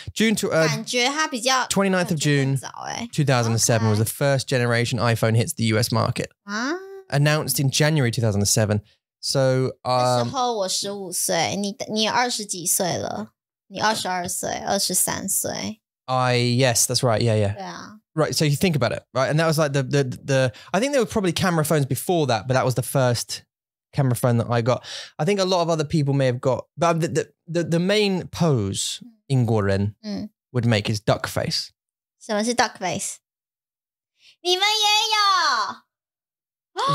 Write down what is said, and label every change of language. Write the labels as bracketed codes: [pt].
[en] June to 29th of June, 2007 was the first generation iPhone hits the US market. Announced in January 2007. So, [zh] 那时候我十五岁，你二十几岁了，你二十二岁，二十三岁。 [en] Yes, that's right. Yeah. [zh] 对啊。 [en] Right. So you think about it, right? And that was like the I think there were probably camera phones before that, but that was the first. Camera phone that I got. I think a lot of other people may have got, but the main pose [zh] 英国人 [en] would make is duck face. [zh] 什么是 duck face? 你们也有